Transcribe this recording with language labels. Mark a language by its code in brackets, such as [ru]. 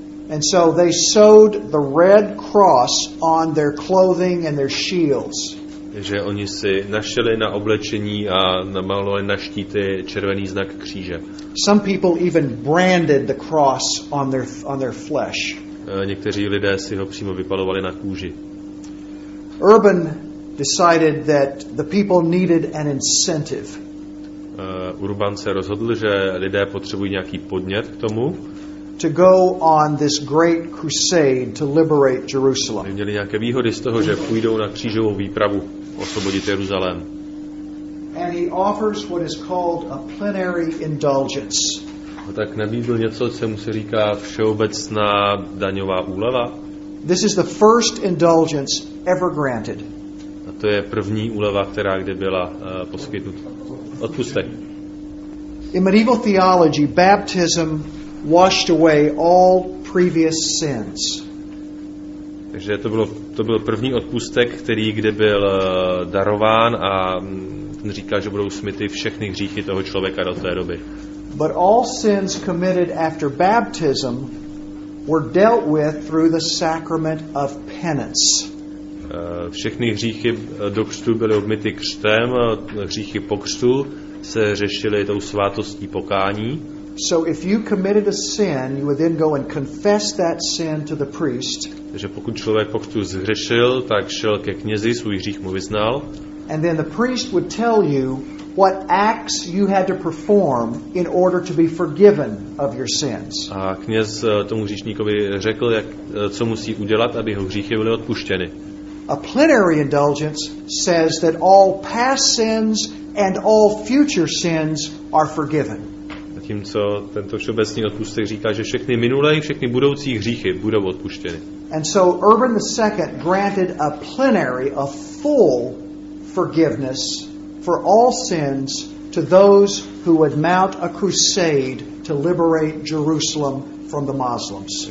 [en] And so they sewed the red cross on their clothing and their shields. [cs] Že oni si našili na oblečení a namalovali na štíty červený znak kříže. [en] Some people even branded the cross on their flesh. [cs] Někteří lidé si ho přímo vypalovali na kůži. [en] Urban decided that the people needed an incentive. [cs] Urban se rozhodl, že lidé potřebují nějaký podnět k tomu. [en] to go on this great crusade to liberate Jerusalem. [cs] Měli nějaké výhody z toho, že půjdou na křížovou výpravu osvobodit Jeruzalém. [en] And he offers what is called a plenary indulgence. [cs] A tak nabídl něco, co mu se říká všeobecná daňová úleva. [en] This is the first indulgence ever granted. [cs] A to je první úleva, která kdy byla poskytnuta. Odpustek. [en] In medieval theology, baptism washed away all previous sins. [cs] Takže to byl první odpustek, který kdy byl darován a ten říkal, že budou smyty všechny hříchy toho člověka do té doby. [en] But all sins committed after baptism were dealt with through the sacrament of penance. [cs] Všechny hříchy do křtu byly obmyty křtem, hříchy po křtu se řešily tou svátostí pokání. [en] So if you committed a sin, you would then go and confess that sin to the priest. [cs] Takže pokud člověk po křtu zhřešil, tak šel ke knězi, svůj hřích mu vyznal. [en] And then the priest would tell you what acts you had to perform in order to be forgiven of your sins. [cs] A kněz tomu hříšníkovi řekl, jak co musí udělat, aby jeho hříchy byly odpuštěny. [en] A plenary indulgence says that all past sins and all future sins are forgiven. [cs] Zatímco tento všeobecný odpustek říká, že všechny minulé i všechny budoucí hříchy budou odpuštěny. [en] And so Urban II granted a plenary, a full forgiveness for all sins to those who would mount a crusade to liberate Jerusalem from the Muslims.